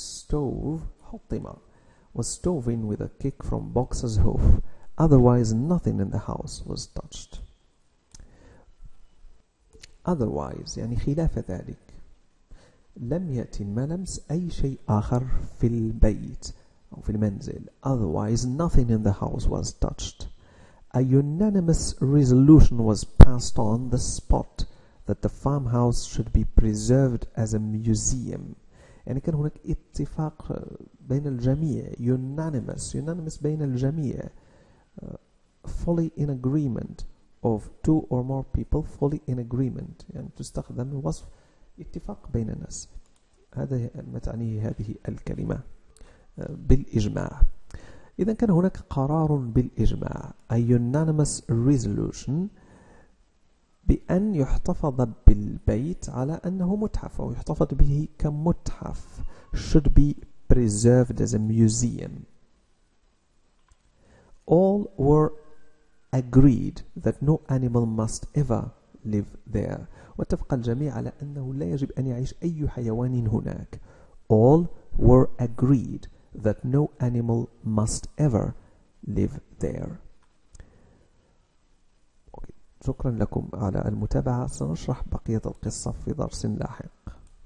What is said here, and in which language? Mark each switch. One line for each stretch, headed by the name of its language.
English: Was stove in with a kick from boxer's hoof. Otherwise, nothing in the house was touched.
Arabic: Otherwise, يعني خلاف ذلك. لم يأتي الملمس أي شيء آخر في البيت أو في المنزل.
English: Otherwise, nothing in the house was touched. A unanimous resolution was passed on the spot that the farmhouse should be preserved as a museum.
Arabic: يعني كان هناك اتفاق بين الجميع. Unanimous بين الجميع.
English: Fully in agreement of two or more people. Fully in agreement
Arabic: يعني تستخدم وصف اتفاق بين الناس. هذا ما تعنيه هذه الكلمة. بالإجماع. إذا كان هناك قرار بالإجماع.
English: A unanimous resolution
Arabic: بأن يحتفظ بالبيت على أنه متحف أو يحتفظ به كمتحف.
English: Should be preserved as a museum. All were agreed that no animal must ever live there.
Arabic: واتفق الجميع على أنه لا يجب أن يعيش أي حيوان هناك.
English: All were agreed that no animal must ever live there.
Arabic: شكرا لكم على المتابعة. سنشرح بقية القصة في درس لاحق.